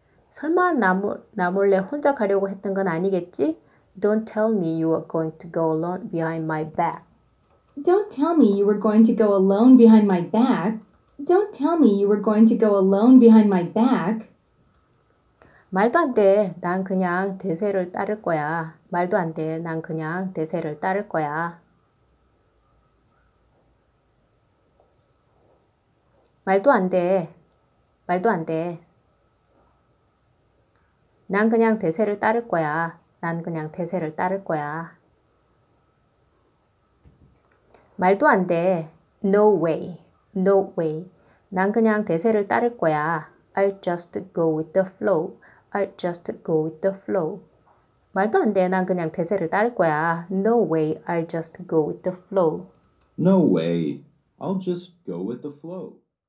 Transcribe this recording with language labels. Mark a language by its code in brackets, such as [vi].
[ko] 설마 나 몰래 혼자 가려고 했던 건 아니겠지? [en] Don't tell me you are going to go alone behind my back. Don't tell me you were going to go alone behind my back. Don't tell me you were going to go alone behind my back. [ko] 말도 안 돼. 난 그냥 대세를 따를 거야. 말도 안 돼. 난 그냥 대세를 따를 거야. 말도 안 돼. 말도 안 돼. 난 그냥 대세를 따를 거야. 난 그냥 대세를 따를 거야. 말도 안 돼. [en] No way. No way. [ko] 난 그냥 대세를 따를 거야. [en] I'll just go with the flow. I'll just go with the flow. [ko] 말도 안 돼. 난 그냥 대세를 따를 거야. [en] No way. I'll just go with the flow. No way. I'll just go with the flow.